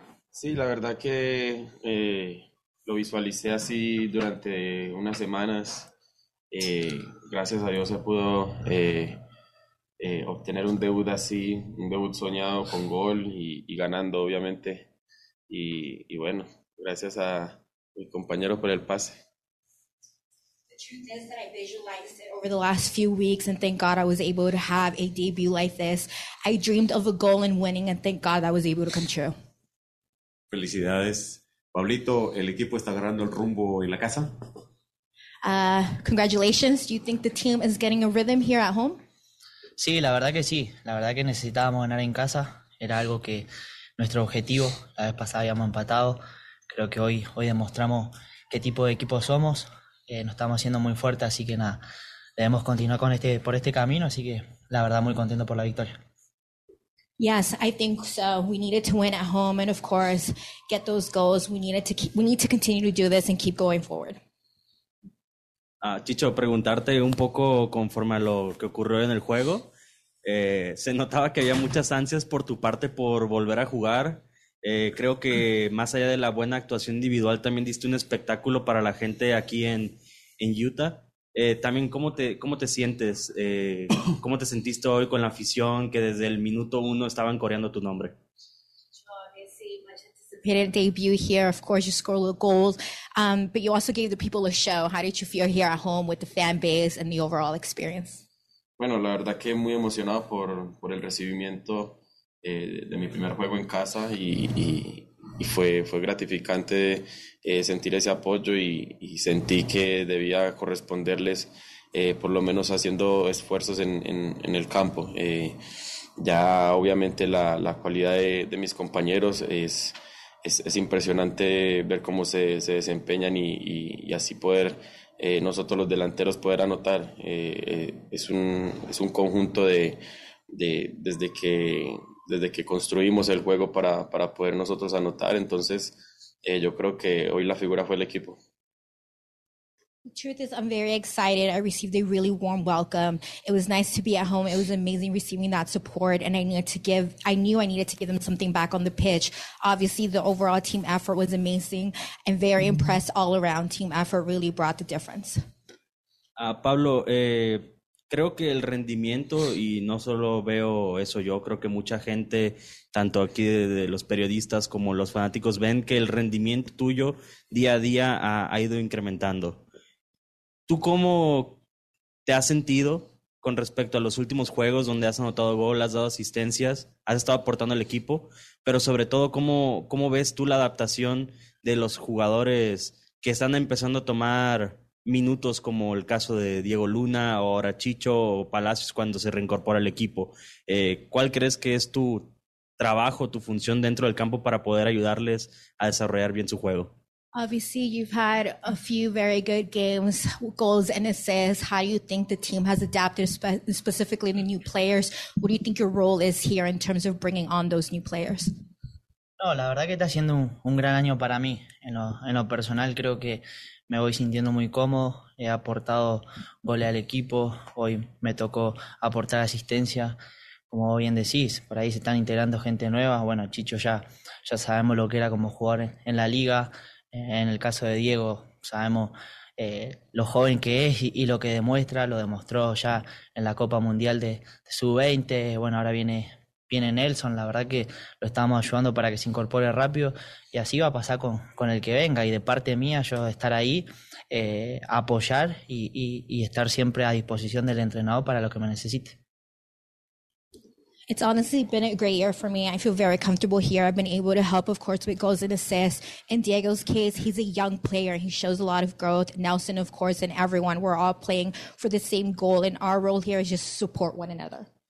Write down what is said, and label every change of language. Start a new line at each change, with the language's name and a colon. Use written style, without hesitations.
Spanish: Sí, la verdad que lo visualicé así durante unas semanas. Gracias a Dios se pudo obtener un debut así, un debut soñado con gol y ganando, obviamente. Y bueno, gracias a mi compañero por el pase.
English: Over the last few weeks, and thank God I was able to have a debut like this. I dreamed of a goal and winning, and thank God that was able to come true.
Spanish: Felicidades. Pablito, ¿el equipo está agarrando el rumbo en la casa?
English: Congratulations. Do you think the team is getting a rhythm here at home?
Spanish: Sí, la verdad que sí. La verdad que necesitábamos ganar en casa. Era algo que nuestro objetivo. La vez pasada habíamos empatado. Creo que hoy demostramos qué tipo de equipo somos. Nos estamos haciendo muy fuertes, así que nada. Debemos continuar con este por este camino, así que la verdad muy contento por la victoria.
English: Yes, I think so. We needed to win at home and, of course, get those goals. We need to continue to do this and keep going forward.
Spanish: Chicho, preguntarte un poco conforme a lo que ocurrió en el juego. Se notaba que había muchas ansias por tu parte por volver a jugar. Creo que más allá de la buena actuación individual, también diste un espectáculo para la gente aquí en Utah. También, ¿cómo te sientes? ¿Cómo te sentiste hoy con la afición que desde el minuto uno estaban coreando tu nombre?
English: Hidden debut here. Of course, you scored a goal, but you also gave the people a show. How did you feel here at home with the fan base and the overall experience?
Spanish: Bueno, la verdad que muy emocionado por el recibimiento de mi primer juego en casa y fue gratificante sentir ese apoyo y sentí que debía corresponderles por lo menos haciendo esfuerzos en el campo. Ya obviamente la cualidad de mis compañeros es impresionante ver cómo se desempeñan y así poder nosotros los delanteros poder anotar. Es un conjunto desde que construimos el juego para poder nosotros anotar. Entonces, yo creo que hoy la figura fue el equipo.
English: The truth is, I'm very excited. I received a really warm welcome. It was nice to be at home. It was amazing receiving that support, and I knew I needed to give them something back on the pitch. Obviously, the overall team effort was amazing and very impressed all around. Team effort really brought the difference.
Spanish: Pablo, creo que el rendimiento, y no solo veo eso yo, creo que mucha gente, tanto aquí de los periodistas como los fanáticos, ven que el rendimiento tuyo día a día ha ido incrementando. ¿Tú cómo te has sentido con respecto a los últimos juegos donde has anotado gol, has dado asistencias, has estado aportando al equipo? Pero sobre todo, ¿cómo ves tú la adaptación de los jugadores que están empezando a tomar minutos, como el caso de Diego Luna o ahora Chicho o Palacios cuando se reincorpora al equipo? ¿Cuál crees que es tu trabajo, tu función dentro del campo para poder ayudarles a desarrollar bien su juego?
English: Obviously, you've had a few very good games, goals and assists. How do you think the team has adapted, specifically the new players? What do you think your role is here in terms of bringing on those new players?
Spanish: No, la verdad que está siendo un gran año para mí. En lo personal, creo que me voy sintiendo muy cómodo. He aportado goles al equipo. Hoy me tocó aportar asistencia. Como bien decís, por ahí se están integrando gente nueva. Bueno, Chicho ya sabemos lo que era como jugar en la liga. En el caso de Diego, sabemos lo joven que es y lo que demuestra. Lo demostró ya en la Copa Mundial de Sub-20. Bueno, ahora viene Nelson. La verdad que lo estamos ayudando para que se incorpore rápido. Y así va a pasar con el que venga. Y de parte mía, yo estar ahí, apoyar y estar siempre a disposición del entrenador para lo que me necesite.
English: It's honestly been a great year for me. I feel very comfortable here. I've been able to help, of course, with goals and assists. In Diego's case, he's a young player. He shows a lot of growth. Nelson, of course, and everyone, we're all playing for the same goal. And our role here is just to support one another.